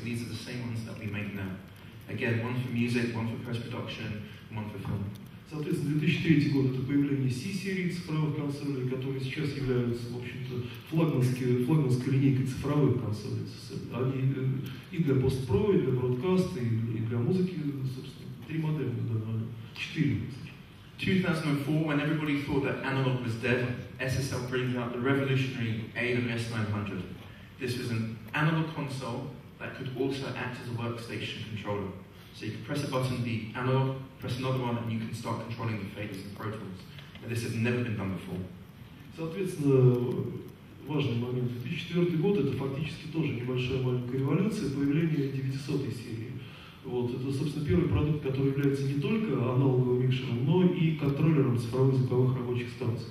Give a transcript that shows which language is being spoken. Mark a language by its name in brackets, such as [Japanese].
[English] These are the same ones that we make now. Again, one for music, one for post-production, one for film. [Russian] Соответственно, 2003 год — это появление C-серии цифровых консолей, которые сейчас являются, в общем-то, флагманской линейкой цифровых консолей СССР. Они и для постпро, и для бродкаста, и для музыки, собственно, три модели, да, наверное, четыре. [English] 2004, when everybody thought that analog was dead, SSL brings out the revolutionary AWS-900. This was an analog console that could also act as a workstation controller. So you could press a button, the analog, press another one, and you can start controlling the faders and protons. And this has never been done before. [Russian] Соответственно, важный момент. 2004 год — это фактически тоже небольшая маленькая революция, появление 900-й серии. Вот, это, собственно, первый продукт, который является не только аналоговым микшером, но и контроллером цифровых звуковых рабочих станций.